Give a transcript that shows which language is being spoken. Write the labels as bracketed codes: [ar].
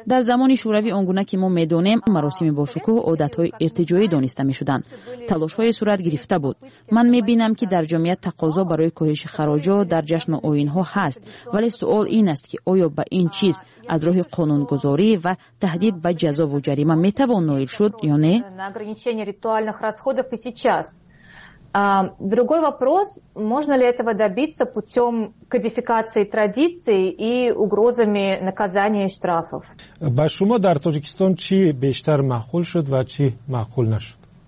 [fa] در زمان شوروی آنگونه که ما میدونیم مراسم باشکوه عادت های ارتجاعی دانسته میشدند، تلاش های صورت گرفته بود. من میبینم که در جامعه تقاضا برای کاهش خراج ها در جشن و آیین ها هست، ولی سوال این است که آیا به این چیز از راه قانون گذاری و تهدید به جزا و جریمه میتوان نایل شد یا نه؟ [ru] На ограничение ритуальных расходов и сейчас. Другой вопрос, можно ли этого добиться путем кодификации традиций и угрозами наказания и штрафов? [tg] Ба шумо дар Таҷикистон чи бештар маъқул шуд ва чи маъқул нашуд?